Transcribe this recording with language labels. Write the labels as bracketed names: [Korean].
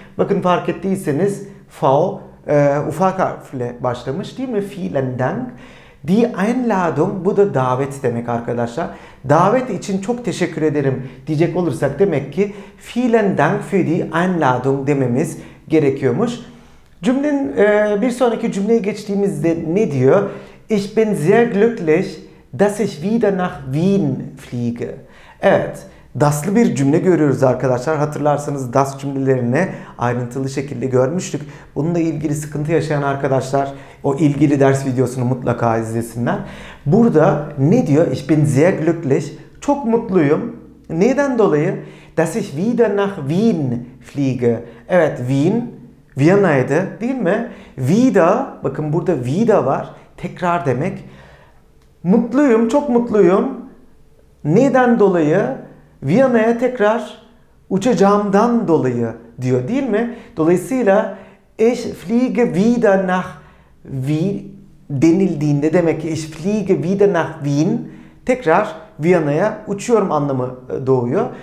[Turkish] Bakın fark ettiyseniz V ufak harfle başlamış değil mi? [German] Vielen Dank. Die Einladung, [Turkish] bu da davet demek arkadaşlar. Davet için çok teşekkür ederim diyecek olursak demek ki [German] Vielen Dank für die Einladung [Turkish] dememiz gerekiyormuş. Cümlenin bir sonraki cümleye geçtiğimizde ne diyor? [German] Ich bin sehr glücklich, dass ich wieder nach Wien fliege. [Turkish] Evet, das'lı bir cümle görüyoruz arkadaşlar. Hatırlarsanız das cümlelerini ayrıntılı şekilde görmüştük. Bununla ilgili sıkıntı yaşayan arkadaşlar o ilgili ders videosunu mutlaka izlesinler. Burada ne diyor? [German] Ich bin sehr glücklich, [Turkish] çok mutluyum. Neden dolayı? [German] Dass ich wieder nach Wien fliege. [Turkish] Evet, Wien. Viyana'ydı değil mi? Vida, bakın burada vida var. Tekrar demek. Mutluyum, çok mutluyum. Neden dolayı? Viyana'ya tekrar uçacağımdan dolayı diyor değil mi? Dolayısıyla [German] ich fliege wieder nach Wien [Turkish] denildiğinde demek ki [German] ich fliege wieder nach Wien [Turkish] tekrar Viyana'ya uçuyorum anlamı doğuyor.